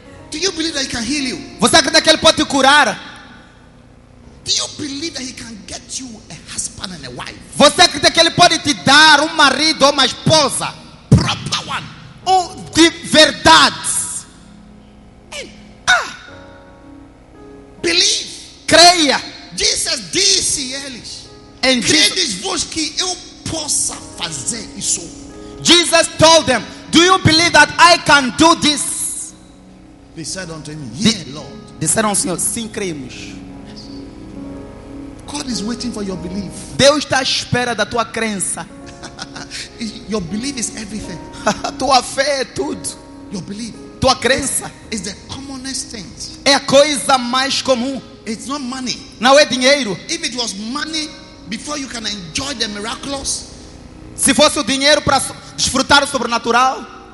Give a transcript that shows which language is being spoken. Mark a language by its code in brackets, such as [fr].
[en] Do you believe that he can heal you? [pt] Você acredita que ele pode te curar? [en] Do you believe that he can get you a husband and a wife? [pt] Você acredita que ele pode te dar marido ou esposa? [en] Proper one. [pt] De verdade. [en] Believe. [pt] Creia. Jesus disse eles. Creia-vos que eu possa fazer isso. [en] Jesus told them, do you believe that I can do this? They said unto him, yeah, Lord. [pt] Disseram ao Senhor, sim, cremos. [en] God is waiting for your belief. [pt] Deus está à espera da tua crença. [en] Your belief is everything. [pt] Tua fé é tudo. [en] Your belief. [pt] Tua crença. [en] Is the commonest thing. [pt] É a coisa mais comum. [en] It's not money. [pt] Não é dinheiro. [en] If it was money, before you can enjoy the miraculous. [pt] Se fosse o dinheiro para desfrutar o sobrenatural,